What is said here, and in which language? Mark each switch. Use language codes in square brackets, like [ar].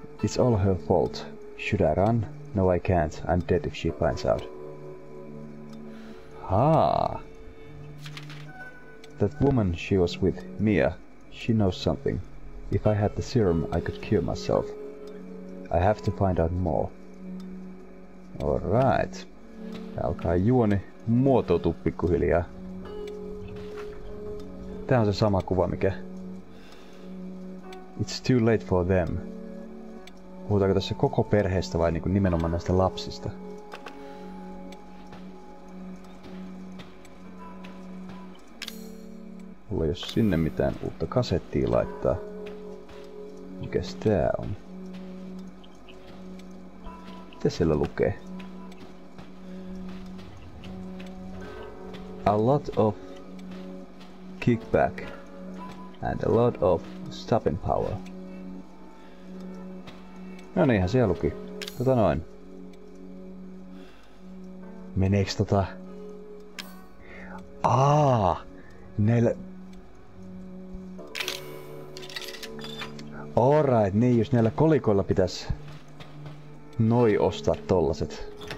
[en] It's all her fault. Should I run? No, I can't. I'm dead if she finds out. Ha. That woman she was with, Mia. She knows something. If I had the serum, I could cure myself. I have to find out more. Alright. [fi] Tää alkaa juoni muotoutua pikkuhiljaa. Tää on se sama kuva, mikä... [en] It's too late for them. [fi] Puhutaanko tässä koko perheestä vai niinku nimenomaan näistä lapsista? Mulla ei oo sinne mitään uutta kasettia laittaa. Mikäs tää on? Mitä siellä lukee? [en] A lot of kickback and a lot of stopping power. [fi] No niinhän siellä luki. Tota noin. Meneekö tota... Aa, näillä... Alright, niin jos näillä kolikoilla pitäis... Noi ostaa tollaset.